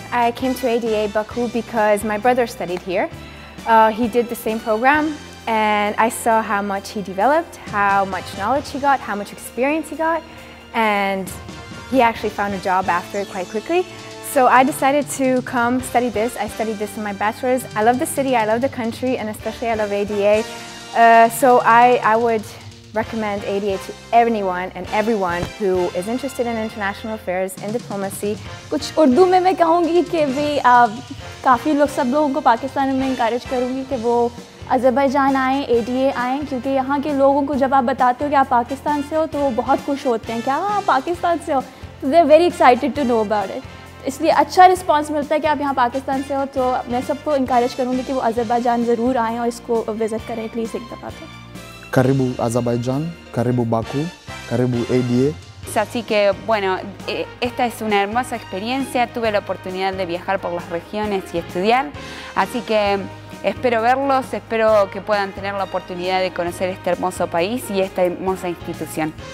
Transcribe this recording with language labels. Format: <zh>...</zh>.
<en>I came to ADA Baku because my brother studied here. He did the same program, and I saw how much he developed, how much knowledge he got, how much experience he got, and he actually found a job after it quite quickly. So I decided to come study this. I studied this in my bachelor's. I love the city, I love the country, and especially I love ADA. So I would recommend ADA to anyone and everyone who is interested in international affairs and diplomacy.</en> <hi>कुछ उर्दू में मैं कहूँगी कि भी काफी लोग सब लोगों को पाकिस्तान में encourage करूँगी कि वो अज़रबैजान आएं, ADA आएं, क्योंकि यहाँ के लोगों को जब आप बताते हो कि आप पाकिस्तान से हो तो वो बहुत खुश होते हैं कि हाँ आप पाकिस्तान से हो, तो</hi> <en>they're very excited to know about it.</en> <hi>इसलिए अच्छा रिस्पांस मिलता है कि आप यहाँ पाकिस्तान से हो, तो मैं सबको इनकरेज करूँगी कि वो अज़रबैजान ज़रूर आएं और इसको विज़िट करें प्लीज़ एक दफ़ा तो.</hi> <sw>Karibu Azerbaijan, karibu Baku, karibu ADA.</sw> <es>Así que bueno, esta es una hermosa experiencia. Tuve la oportunidad de viajar por las regiones y estudiar, así que espero verlos, espero que puedan tener la oportunidad de conocer este hermoso país y esta hermosa institución.</es>